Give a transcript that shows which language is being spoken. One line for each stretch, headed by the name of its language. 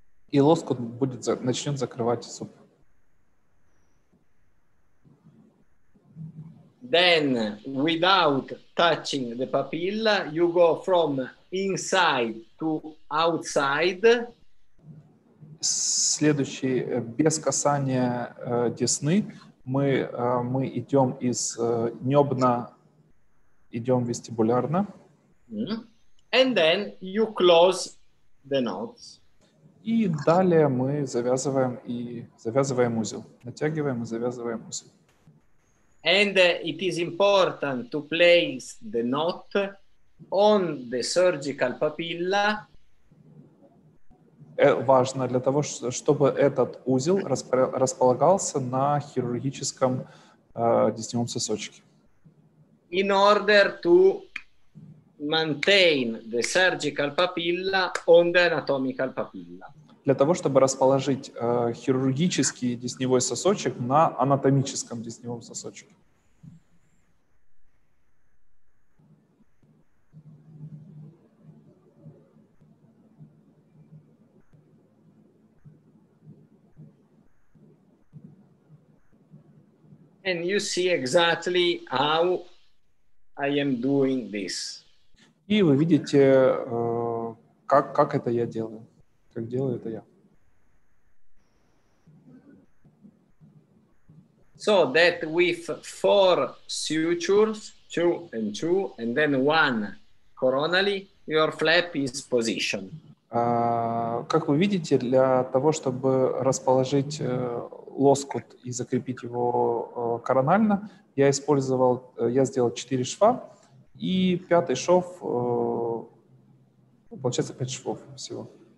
Russian: И лоскут начнет закрывать зуб.
English: Then, without touching the papilla, you go from inside to outside.
Russian: Следующий, без касания десны, мы идем из небна, идем вестибулярно.
English: And then you close the knots.
Russian: И далее мы завязываем узел. Натягиваем и завязываем узел.
English: And it is important to place the knot on the surgical papilla.
Russian: Важно для того, чтобы этот узел располагался на хирургическом десневом сосочке.
English: In order to maintain the surgical papilla on the anatomical papilla.
Russian: Для того, чтобы расположить хирургический десневой сосочек на анатомическом десневом сосочке.
English: And you see exactly how I am doing this.
Russian: И вы видите, как это я делаю. Как делаю это я.
English: So that with four sutures, two, and then one coronally, your flap is positioned.
Russian: Как вы видите, для того, чтобы расположить лоскут и закрепить его коронально, я сделал 4 шва, и пятый шов, получается 5 швов всего.